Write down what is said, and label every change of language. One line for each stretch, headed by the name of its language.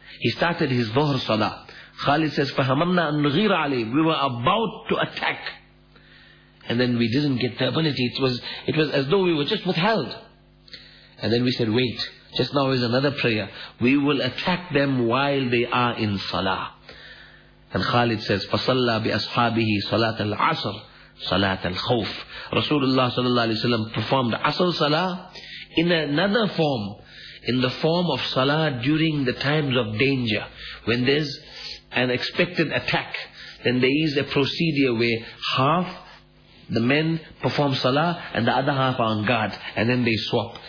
English: He started his Dhuhr Salah. Khalid says,
Arabic: فَهَمَمْنَا أَنْ نُغِيرَ عَلَيْهِ.
English: We were about to attack, and then we didn't get the ability. It was as though we were just withheld. And then we said, wait, just now is another prayer. We will attack them while they are in Salah. And Khalid says,
Arabic: فَصَلَّى بِأَصْحَابِهِ صَلَاةَ الْعَصَرِ صَلَاةَ الْخَوْفِ.
English: Rasulullah sallallahu alayhi wa sallam performed Asr Salah in another form, in the form of Salah during the times of danger, when there's an expected attack. Then there is a procedure where half the men perform Salah and the other half are on guard, and then they swap.